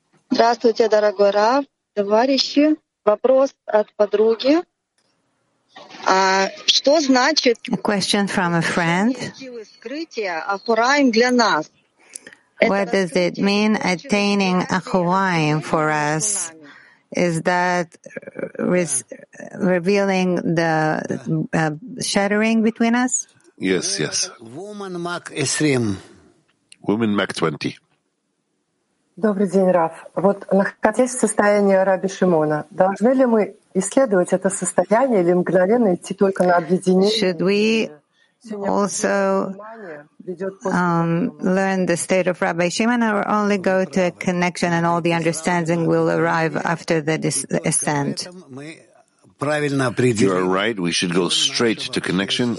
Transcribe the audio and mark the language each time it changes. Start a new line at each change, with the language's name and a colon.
Russian: Здравствуйте, дорогой Рав, товарищи. Вопрос от подруги. Что значит?
English: A question from a friend.
Russian: Скрытие Ахураим для нас.
English: What does it mean attaining Ахураим for us? Is that revealing the shattering between us? Yes, yes. Woman Mach 20. Woman Mach 20.
Russian: Добрый день, Раф. Вот находясь в состоянии Раби Шимона, должны ли мы исследовать это состояние или мгновенно идти только на объединение?
English: Should we also learn the state of Rabbi Shimon or only go to a connection and all the understanding will arrive after the ascent? You are right, we should go straight to connection.